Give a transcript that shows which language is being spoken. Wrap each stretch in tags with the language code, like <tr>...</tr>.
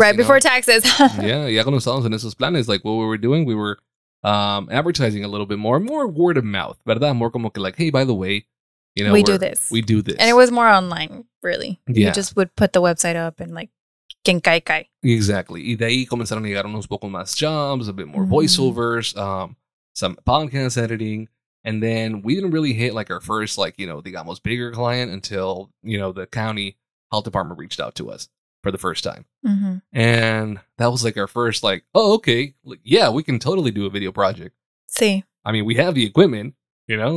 <en>Right, before taxes. Yeah,</en> <es>ya cuando estábamos en esos planes,</es> <en>like, what we were doing, we were advertising a little bit more word of mouth,</en> <es>¿verdad?</es> <en>More</en> <es>como que,</es> <en>like, hey, by the way, you know, we do this. And it was more online, really. Yeah. You just would put the website up and, like,</en> <es>quien cae, cae.</es> <en>Exactly.</en> <es>Y de ahí comenzaron a llegar unos poco más</es> <en>jobs, a bit more voiceovers, some podcast editing. And then we didn't really hit, like, our first, like, you know,</en> <es>digamos,</es> <en>bigger client until, you know, the county health department reached out to us for the first time. Mm-hmm. And that was, like, our first, like, oh, okay, like, yeah, we can totally do a video project.</en> <es>Sí.</es> <en>I mean, we have the equipment, you know?</en>